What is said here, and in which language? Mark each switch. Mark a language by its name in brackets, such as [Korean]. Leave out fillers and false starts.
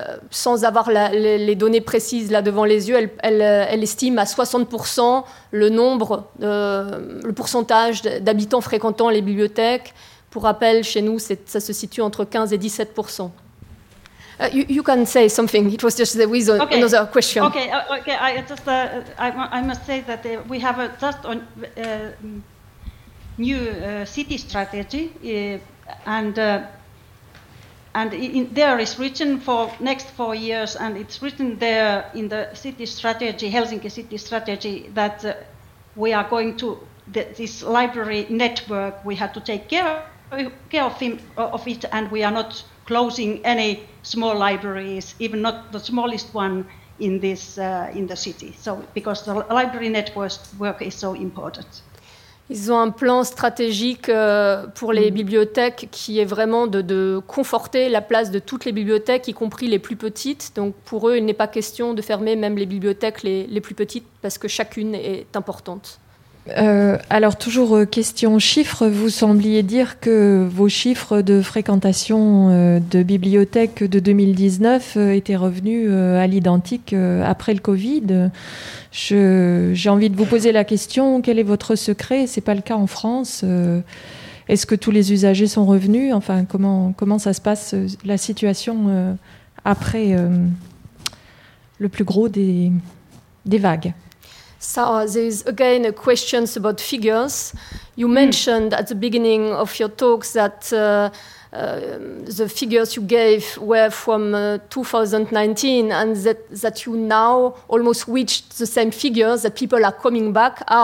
[French] Sans avoir les données précises là devant les yeux, elle estime à 60% le pourcentage d'habitants fréquentant les bibliothèques. Pour rappel, chez nous, ça se situe entre 15 et 17%. [English] You can say something. It was just there was another question. Okay. I must say that we have a just on new city strategy, and in there is written for next 4 years, and it's written there in the city strategy, Helsinki city strategy, that we are going to this library network. We have to take care of it, and we are not closing any small libraries, even not the smallest one in this in the city. So because the library network work is so important. [French] Ils ont un plan stratégique pour les bibliothèques qui est vraiment de conforter la place de toutes les bibliothèques, y compris les plus petites. Donc pour eux, il n'est pas question de fermer même les bibliothèques les plus petites, parce que chacune est importante. Alors toujours question chiffres, vous sembliez dire que vos chiffres de fréquentation de bibliothèques de 2019 étaient revenus à l'identique après le Covid. J'ai envie de vous poser la question, quel est votre secret? C'est pas le cas en France. Est-ce que tous les usagers sont revenus? Enfin, comment ça se passe, la situation après le plus gros des vagues? [English] So there is again questions about figures. You mentioned at the beginning of your talk that the figures you gave were from 2019, and that you now almost reached the same figures, that people are coming back.